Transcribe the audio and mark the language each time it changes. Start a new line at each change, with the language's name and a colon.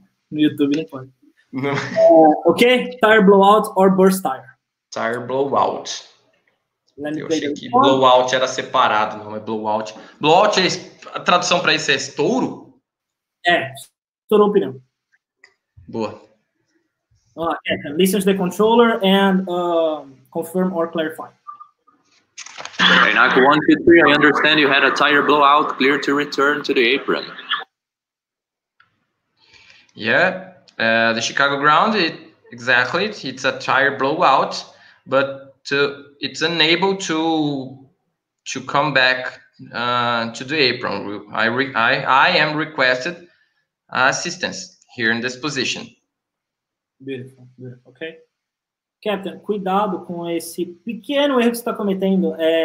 Portuguese: No YouTube não pode. Não.
English: Ok, tire blowout or burst tire?
Portuguese: Tire blowout. Blowout era separado, não é blowout. Blowout, é a tradução para isso é estouro? É, estourou o pneu. Boa.
English: Listen to the controller and confirm or clarify. Okay, NAC 123, I understand you had a tire blowout, clear to return to the apron. Yeah. The Chicago ground, it's a tire blowout, but it's unable to come back to the apron. I am requested assistance here in this position. Beautiful. Okay.
Portuguese: Captain, cuidado com esse pequeno erro que você está cometendo.